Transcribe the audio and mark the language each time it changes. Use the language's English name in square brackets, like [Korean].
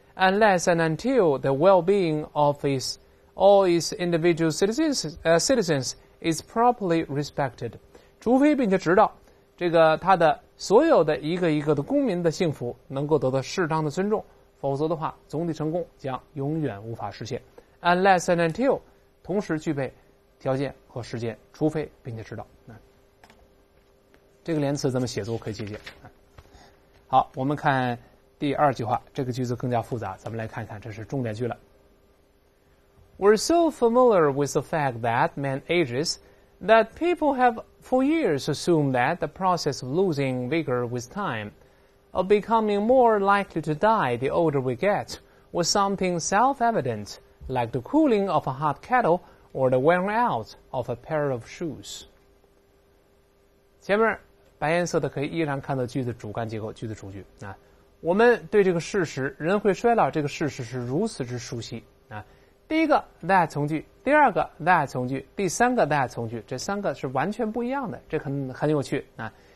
[English] Unless and until the well-being of all its individual citizens is properly respected， [Chinese] 除非并且直到这个他的所有的一个一个的公民的幸福能够得到适当的尊重，否则的话，总体成功将永远无法实现。 [English] Unless and until， [Chinese] 同时具备条件和时间，除非并且直到。这个连词怎么写作可以借鉴？好，我们看。第二句话，这个句子更加复杂，咱们来看看，这是重点句了。 [English] We're so familiar with the fact that man ages that people have for years assumed that the process of losing vigor with time, of becoming more likely to die the older we get, was something self-evident, like the cooling of a hot kettle or the wearing out of a pair of shoes. [Chinese] 前面白颜色的可以依然看到句子主干结构，句子主句啊。我们对这个事实，人会衰老这个事实是如此之熟悉啊！第一个 that 从句，第二个 that 从句，第三个 that 从句，这三个是完全不一样的，这很有趣啊！